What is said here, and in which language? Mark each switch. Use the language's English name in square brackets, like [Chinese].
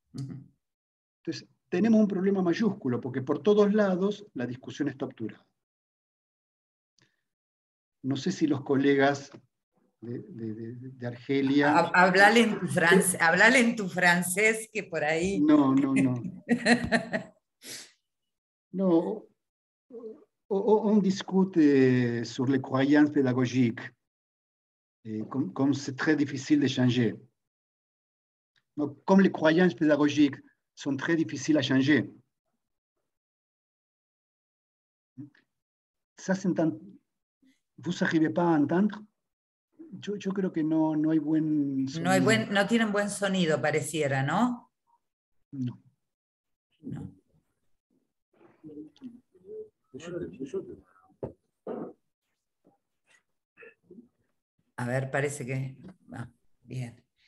[Spanish] Entonces, tenemos un problema mayúsculo, porque por todos lados la discusión está obturada. No sé si los colegas de Argelia... Hablale en tu francés, que por ahí... No. [French] No, on discute sur les croyances pédagogiques, comme c'est très difficile de changer. No, comme les croyances pédagogiques sont très difficiles à changer. Ça, c'est un... ¿Vous n'arrivez pas à entendre? [Spanish] Yo creo que no hay buen sonido. No tienen buen sonido, pareciera, ¿no? No. A ver, parece que... bien.